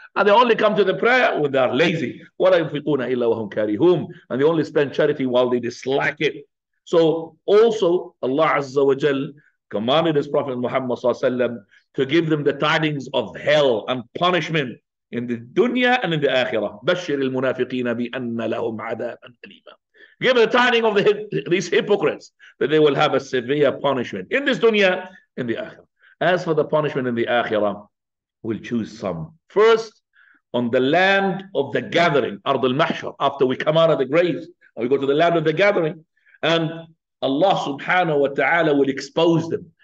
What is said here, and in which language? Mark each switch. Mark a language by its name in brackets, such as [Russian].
[English] And they only come to the prayer when they are lazy. [Arabic] وَلَا يُنْفِقُونَ إِلَّا وَهُمْ كَارِهُونَ. [English] And they only spend charity while they dislike it. So also Allah Azza wa Jal commanded his Prophet Muhammad sallallahu alaihi wasallam to give them the tidings of hell and punishment in the dunya and in the akhirah. [Arabic] بشر المنافقين بأن لهم عذابا أليما. [English] Give the tidings of these hypocrites that they will have a severe punishment in this dunya, in the akhirah. As for the punishment in the Akhirah, we'll choose some. First, on the land of the gathering, Ard al-Mahshar, after we come out of the graves, we go to the land of the gathering, and Allah subhanahu wa ta'ala will expose them.